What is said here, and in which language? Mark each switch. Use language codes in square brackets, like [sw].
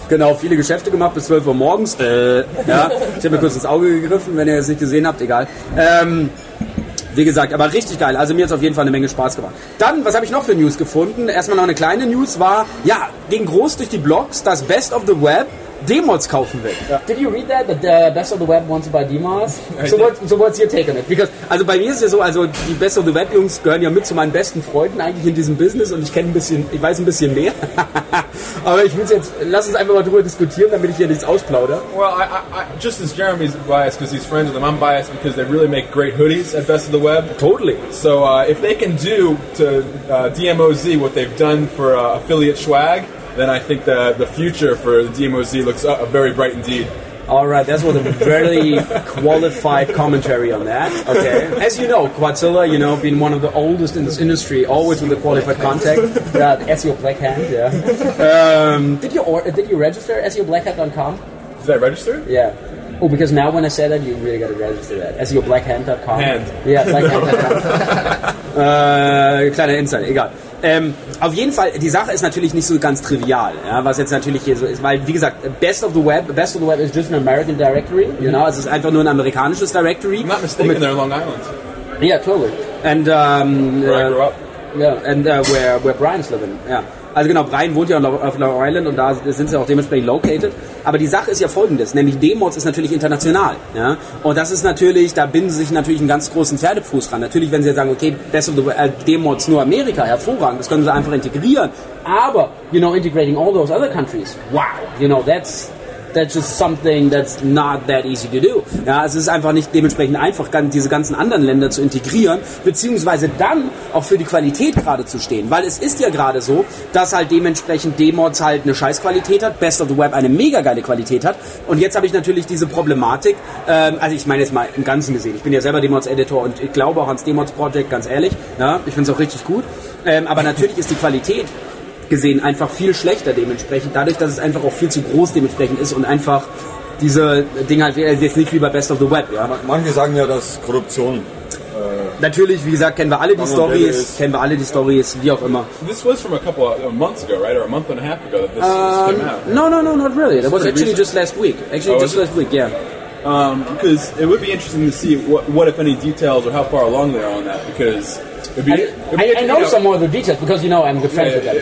[de] Genau, viele Geschäfte gemacht bis 12 Uhr morgens. Ja, ich habe mir kurz ins Auge gegriffen, wenn ihr es nicht gesehen habt, egal. Wie gesagt, aber richtig geil. Also mir hat es auf jeden Fall eine Menge Spaß gemacht. Dann, was habe ich noch für News gefunden? Erstmal noch eine kleine News war, ja, ging groß durch die Blogs, das Best of the Web. D-Mods kaufen will. Ja. [en] Did you read that? The Best of the Web wants to buy D-Mods? So what's your take on it? Because, [de] also bei mir ist es ja so, also die Best of the Web Jungs gehören ja mit zu meinen besten Freunden eigentlich in diesem Business und ich weiß ein bisschen mehr. Aber ich will jetzt, lass uns einfach mal drüber diskutieren, damit ich hier nichts ausplaudere. [en] Well, I just as Jeremy's biased because he's friends with them, I'm biased because they really make great hoodies at Best of the Web. Totally. So if they can do to DMOZ what they've done for affiliate swag, then I think the future for the DMOZ looks very bright indeed. All right, that's what a very qualified commentary on that. Okay, as you know, Quadzilla, you know, being one of the oldest in this industry, always with a qualified contact. Yeah, SEO Black Hat, yeah. Did you register SEOBlackHat.com? Did I register? Yeah. Oh, because now when I say that, you really got to register that. SEOBlackHat.com. Hand. Yeah, BlackHat.com. [de] kleiner Insider, egal. Auf jeden Fall, die Sache ist natürlich nicht so ganz trivial, ja, was jetzt natürlich hier so ist, weil, wie gesagt, [en] Best of the Web is just an American directory, you know, [de] es ist einfach nur ein amerikanisches Directory. [en] I'm not mistaken, they're Long Island. Yeah, totally. And, where I grew up. Yeah, and where Brian's living, yeah. [de] Also genau, Brian wohnt ja auf Long Island und da sind sie auch dementsprechend located. Aber die Sache ist ja folgendes, nämlich D-Mods ist natürlich international. Ja? Und das ist natürlich, da binden sie sich natürlich einen ganz großen Pferdefuß ran. Natürlich, wenn sie jetzt sagen, okay, Best of the D-Mods nur Amerika, hervorragend, das können sie einfach integrieren. Aber, [en] you know, integrating all those other countries, wow, you know, that's just something that's not that easy to do. [de] Ja, es ist einfach nicht dementsprechend einfach, diese ganzen anderen Länder zu integrieren, beziehungsweise dann auch für die Qualität gerade zu stehen. Weil es ist ja gerade so, dass halt dementsprechend D-Mods halt eine Scheißqualität hat, Best of the Web eine mega geile Qualität hat. Und jetzt habe ich natürlich diese Problematik, also ich meine jetzt mal im Ganzen gesehen, ich bin ja selber D-Mods-Editor und ich glaube auch ans D-Mods-Project, ganz ehrlich, ja, ich finde es auch richtig gut. Aber natürlich ist die Qualität gesehen einfach viel schlechter dementsprechend, dadurch, dass es einfach auch viel zu groß dementsprechend ist und einfach diese Dinge halt jetzt nicht wie bei Best of the Web. Ja. Manche sagen ja, dass Korruption. Natürlich, wie gesagt, kennen wir alle die Stories, wie auch immer. [en] This was from a couple of months ago, right? Or a month and a half ago that this came out. Right? No, not really. That was actually just last week. Because it would be interesting to see what if any details or how far along they are on that, because I know some more of the details, because you know I'm a good friend with them.